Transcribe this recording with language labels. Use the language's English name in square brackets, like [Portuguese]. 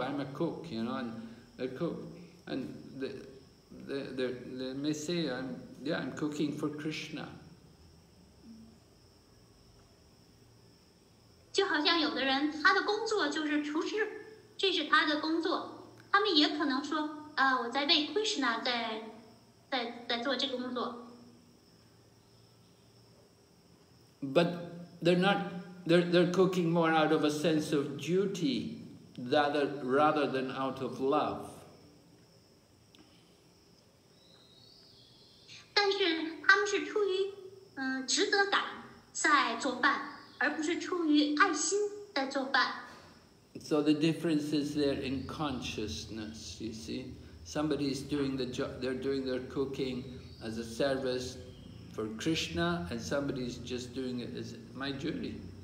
[English] I'm a cook, you know, and a cook. And they may say, I'm cooking for Krishna. [Chinese] 就好像有的人他的工作就是厨师，这是他的工作。他们也可能说，我在为 Krishna 在做这个工作。 [English] But they're cooking more out of a sense of duty rather than out of love. [Chinese] 但是他们是出于值得感在作伴，而不是出于爱心在作伴。 [English] So the difference is there in consciousness, you see. Somebody is doing the job, they're doing their cooking as a service for Krishna, and somebody is just doing it as my duty.